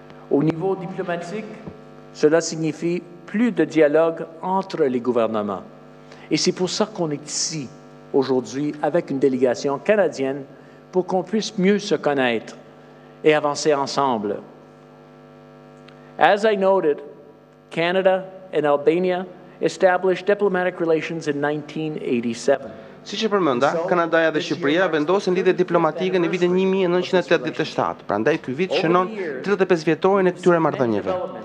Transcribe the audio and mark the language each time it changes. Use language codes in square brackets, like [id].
[fr] Au niveau diplomatique, cela signifie plus de dialogue entre les gouvernements. Et c'est pour ça qu'on est ici aujourd'hui avec une délégation canadienne pour qu'on puisse mieux se connaître et avancer ensemble. [en] As I noted, Canada and Albania established diplomatic relations in 1987. [sq] Si që përmënda, Kanadaja dhe Shqipëria vendosin lidhje diplomatike në vitin 1987, prandaj ky vit shënon 35 vjetorin e këtyre marrëdhënieve.